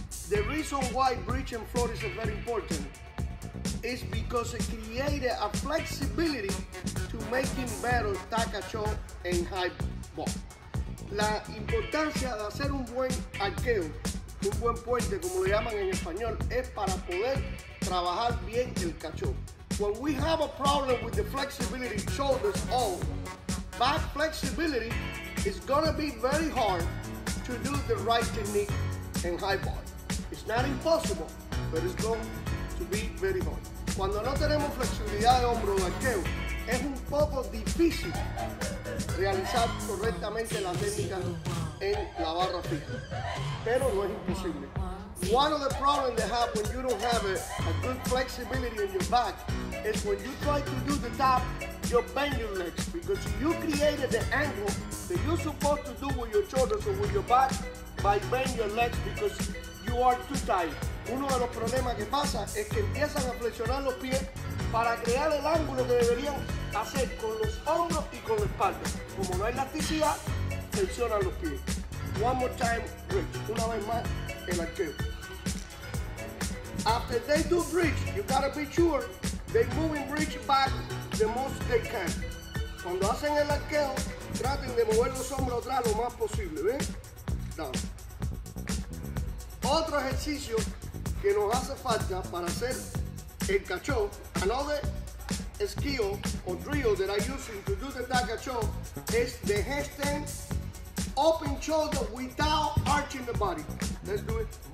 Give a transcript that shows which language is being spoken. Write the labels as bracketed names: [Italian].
[English] The reason why bridge and floor is very important is because it created a flexibility to make him better TKachev and high ball. [Spanish] La importancia de hacer un buen arqueo, un buen puente, como lo llaman en español, es para poder trabajar bien el cachorro. [English] When we have a problem with the flexibility shoulders all, back flexibility is gonna be very hard to do the right technique and high ball. It's not impossible, but it's going to be very hard. [Spanish] Cuando no tenemos flexibilidad de hombro de arqueo, es un poco difícil realizar correctamente la técnica en la barra fija, pero no es imposible. [English] One of the problems they have when you don't have a good flexibility in your back is when you try to do the tap, you'll bend your legs, because you created the angle that you're supposed to do with your shoulders or with your back by bending your legs because you are too tight. [Spanish] Uno de los problemas que pasa es que empiezan a flexionar los pies para crear el ángulo que deberían hacer con los hombros y con la espalda. Como no hay elasticidad, flexionan los pies. [English] One more time, bridge. [Spanish] Una vez más, el arqueo. [English] After they do bridge, you gotta be sure they moving bridge back the most they can. [Spanish] Cuando hacen el arqueo, traten de mover los hombros atrás lo más posible, ¿ven? [English] Down. [Spanish] Otro ejercicio que nos hace falta para hacer el cacho, [English] another skill or drill that I'm using to do the TKachev is the headstand open shoulder without arching the body. Let's do it.